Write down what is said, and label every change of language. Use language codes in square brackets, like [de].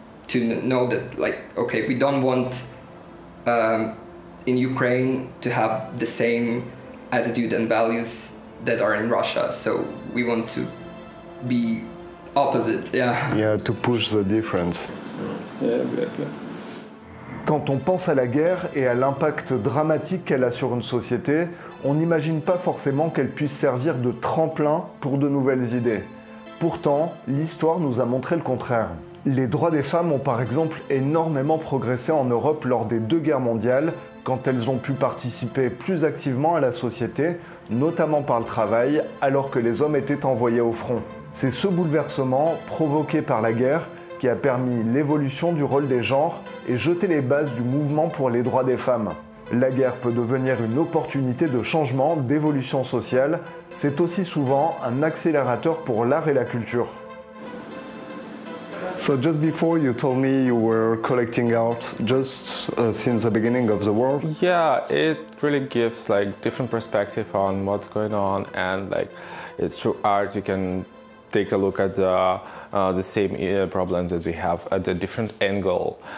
[en] to know that, like, okay, we don't want in Ukraine to have the same attitude and values that are in Russia, so we want to be opposite. Yeah, to push the difference. [fr] Quand on pense à la guerre et à l'impact dramatique qu'elle a sur une société, on n'imagine pas forcément qu'elle puisse servir de tremplin pour de nouvelles idées. Pourtant, l'histoire nous a montré le contraire. Les droits des femmes ont par exemple énormément progressé en Europe lors des deux guerres mondiales, quand elles ont pu participer plus activement à la société, notamment par le travail, alors que les hommes étaient envoyés au front. C'est ce bouleversement, provoqué par la guerre, qui a permis l'évolution du rôle des genres et jeté les bases du mouvement pour les droits des femmes. La guerre peut devenir une opportunité de changement, d'évolution sociale. C'est aussi souvent un accélérateur pour l'art et la culture. [en] So just before you told me you were collecting art just since the beginning of the war. Yeah, it really gives like different perspective on what's going on, and like it's through art you can take a look at the same problem that we have at a different angle.